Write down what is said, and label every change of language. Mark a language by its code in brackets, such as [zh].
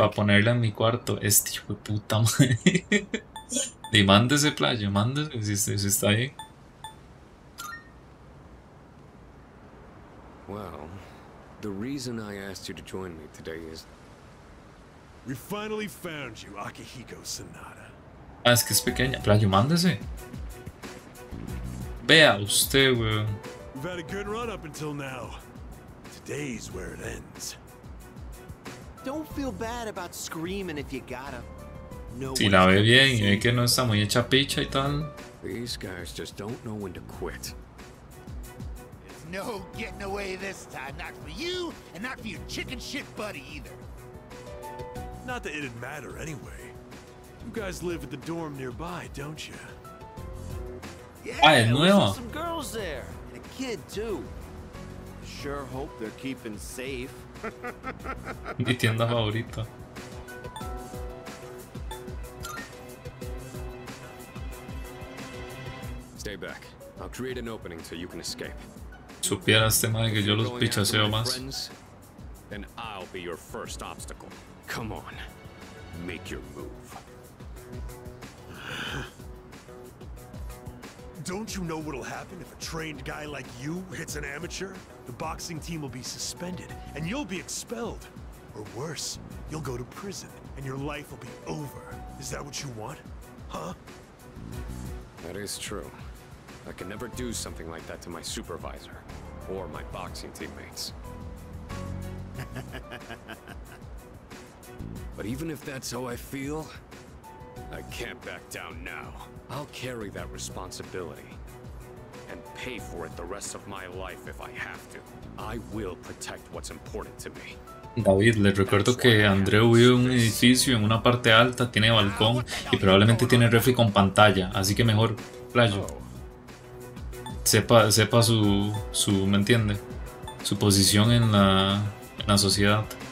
[es] Para ponerla en mi cuarto, este hijo de puta madre. Y mándese, playo, mándese si está ahí. [en] Well, the reason I asked you to join me today is we finally found you, Akihiko Sanada. [es] Ah, es que es pequeña, playo, mándese. Vea usted, weón. [en] We've had a good run up until now. Today's where it ends. Don't feel bad about screaming if you gotta. [es] No, si la ve bien y ve que no está muy hecha picha y tal. [en] These guys just don't know when to quit. There's no getting away this time. Not for you and not for your chicken shit buddy either. Not that it'd matter anyway. You guys live at the dorm nearby, don't you? [es] Ah, es nueva. [en] Some girls there, and a kid too. Sure hope they're keeping safe. [es] Mi tienda favorita. [en] Stay back. I'll create an opening so you can escape. [es] Supiera este madre que yo los pichaseo más. [en] Then I'll be your first obstacle. Come on, make your move. Don't you know what'll happen if a trained guy like you hits an amateur? The boxing team will be suspended, and you'll be expelled. Or worse, you'll go to prison, and your life will be over. Is that what you want? Huh? That is true. I can never do something like that to my supervisor, or my boxing teammates. But even if that's how I feel, I can't back down now. I'll carry that responsibility, and pay for it the rest of my life if I have to. I will protect what's important to me. [es] David, le recuerdo que Andreu vive en un edificio en una parte alta, tiene balcón y probablemente tiene refri con pantalla, así que mejor playo. Sepa su, ¿me entiende? Su posición en la sociedad.